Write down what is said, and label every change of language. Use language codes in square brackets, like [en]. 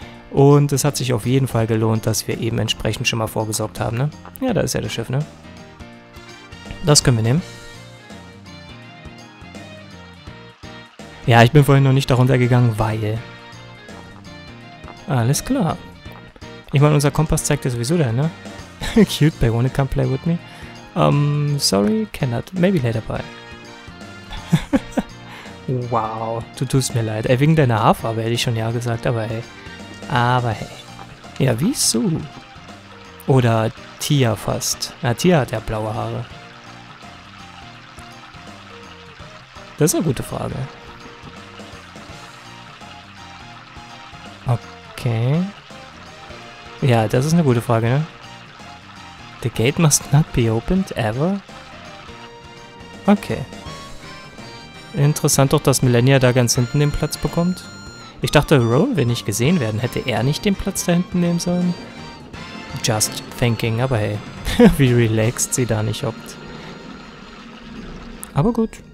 [de] Und es hat sich auf jeden Fall gelohnt, dass wir eben entsprechend schon mal vorgesorgt haben, ne? Ja, da ist ja das Schiff, ne? Das können wir nehmen. Ja, ich bin vorhin noch nicht darunter gegangen, weil... Alles klar. Ich meine, unser Kompass zeigt ja sowieso da, ne? [en] Cute, but wanna come play with me? Sorry, cannot. Maybe later, bye. [de] Wow, du tust mir leid. Ey, wegen deiner Haarfarbe hätte ich schon ja gesagt, aber hey. Aber hey. Ja, wieso? Oder Tia fast. Na, Tia hat ja blaue Haare. Das ist eine gute Frage. Okay. Ja, das ist eine gute Frage, ne? [en] The gate must not be opened ever? [de] Okay. Interessant doch, dass Melania da ganz hinten den Platz bekommt. Ich dachte, Rowan will nicht gesehen werden. Hätte er nicht den Platz da hinten nehmen sollen? [en] Just thinking, [de] aber hey. Wie relaxed sie da nicht hockt. Aber gut.